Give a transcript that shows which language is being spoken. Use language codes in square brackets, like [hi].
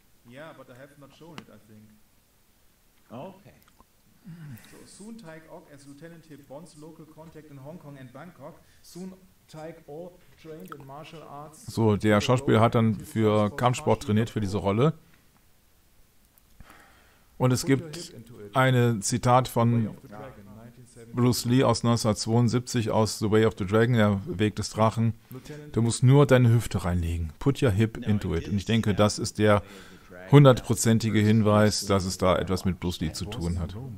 [de] Ja, aber ich habe es nicht gezeigt, ich denke. Okay. [en] So, soon Taik Ok as Lieutenant Hip wants local contact in Hong Kong and Bangkok. Soon Taik Ok trained in martial arts. [de] So, der Schauspieler hat dann für Kampfsport trainiert für diese Rolle. Und es gibt ein Zitat von Bruce Lee aus 1972 aus The Way of the Dragon, der Weg des Drachen. Du musst nur deine Hüfte reinlegen. [en] Put your hip into it. [de] Und ich denke, das ist der hundertprozentige Hinweis, dass es da etwas mit Bruce Lee zu tun hat.